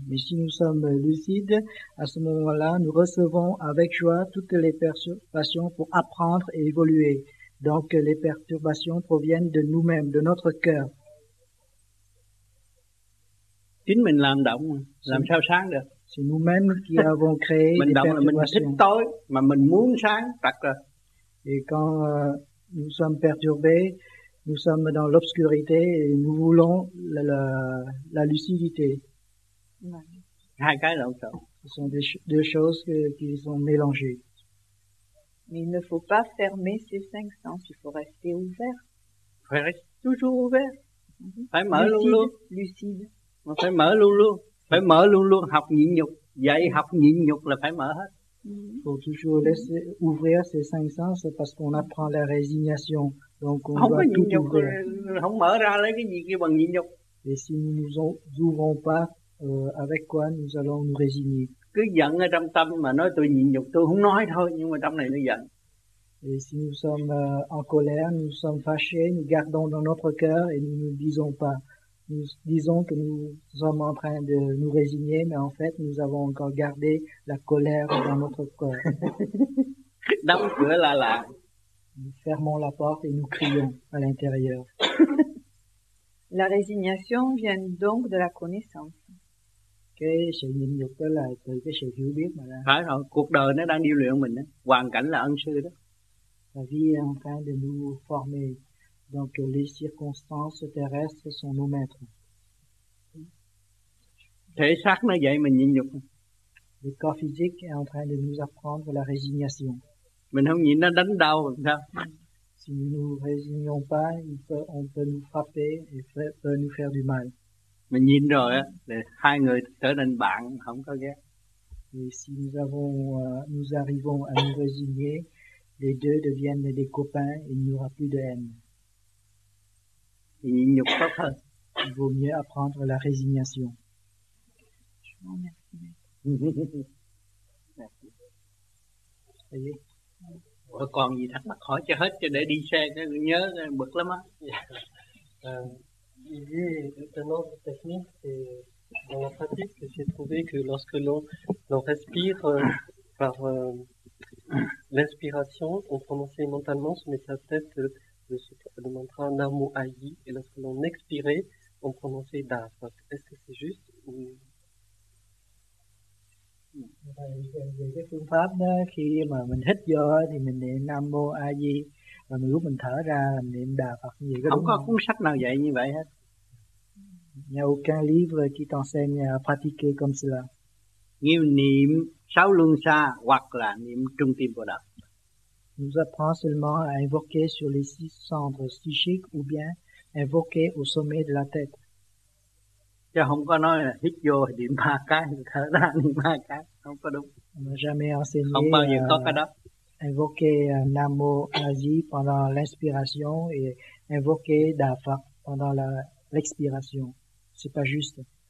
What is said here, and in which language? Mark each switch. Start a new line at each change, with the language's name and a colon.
French: Mais si nous sommes lucides, à ce moment-là, nous recevons avec joie toutes les perturbations pour apprendre et évoluer. Donc les perturbations proviennent de nous-mêmes, de notre cœur.
Vietnamese: Chính mình làm động, làm sao sáng được.
French: C'est nous-mêmes qui avons créé
Vietnamese: mình động là mình thích tối, mà mình muốn sáng, tắt rồi.
French: Et quand nous sommes perturbés, Nous sommes dans l'obscurité et nous voulons la lucidité.
Vietnamese: Hai cái lộn xộn.
French: Ce sont deux choses qui sont mélangées. Mais il ne faut pas fermer ces cinq sens, il faut rester ouvert. Il faut rester toujours ouvert.
Vietnamese: Phải mở luôn luôn. Lucide. Mà phải mở luôn luôn. Phải mở luôn luôn, học nhịn nhục. Dạy học nhịn nhục là phải mở hết.
French: Il faut toujours laisser ouvrir ces cinq sens parce qu'on apprend la résignation. Donc on doit tout ouvrir.
Vietnamese: Không mở ra lấy cái gì kia bằng nhịn nhục.
French: Et si nous ne nous ouvrons pas, avec quoi nous allons nous résigner?
Vietnamese: Cứ giận ở trong tâm mà nói tôi nhịn nhục, tôi không nói thôi, nhưng mà trong này nó giận.
French: Et si nous sommes en colère, nous sommes fâchés, nous gardons dans notre cœur et nous ne disons pas. Nous disons que nous sommes en train de nous résigner, mais en fait, nous avons encore gardé la colère dans notre corps.
Vietnamese: Đóng cửa là là.
French: Nous fermons la porte et nous crions à l'intérieur. La résignation vient donc de la connaissance.
Vietnamese: Cái sự nhịn nhục đó là từ cái sự hiểu biết mà ra. Phải rồi, cuộc đời nó đang điều luyện mình, hoàn cảnh là ân sư đó.
French: La vie est en train de nous former. Donc les circonstances terrestres sont nos maîtres.
Vietnamese: Thể xác nó dạy mình nhịn nhục.
French: Le corps physique est en train de nous apprendre la résignation.
Vietnamese: Mình không nhịn nó đánh đau.
French: Si nous ne nous résignons pas, on peut nous frapper et peut nous faire du mal.
Vietnamese: Mình nhịn rồi, hai người trở nên bạn, không có ghét.
French: Et si nous arrivons à nous résigner, les deux deviennent des copains et il n'y aura plus de haine.
Vietnamese: Nhịn nhục tốt hơn.
French: Il vaut mieux apprendre la résignation. Je vous remercie. Merci. Ça y est.
Vietnamese: Ouais, còn gì thắc mắc hỏi cho hết, cho để đi xe, cho nhớ, bực lắm á.
French: Il y a une autre technique, c'est dans la pratique, que j'ai trouvé que lorsque l'on respire par l'inspiration, on prononçait mentalement, on mettait sa tête le mantra Namo Aji, et lorsque l'on expirait, on prononçait Da. Donc, est-ce que c'est juste ou...
Vietnamese: Cái phương pháp đó, khi mà mình hít vô thì mình niệm Nam Mô A Di, và mình lúc mình thở ra mình niệm Đà Phật gì không có cuốn sách nào dạy như vậy hết.
French: Il n'y a aucun livre qui t'enseigne à pratiquer comme cela.
Vietnamese: Niệm sáu luân xa hoặc là niệm trung tâm Bồ Đề.
French: Nous apprend seulement à invoquer sur les six centres psychiques ou bien invoquer au sommet de la tête.
Vietnamese: Chứ không có nói là hít vô niệm ba cái, thở ra niệm ba cái, không có đúng.
French: On n'a jamais enseigné.
Vietnamese: Không bao giờ có cái đó.
French: Invoquer Namo Aji pendant l'inspiration et invoquer Da Phật pendant l'expiration, c'est pas juste.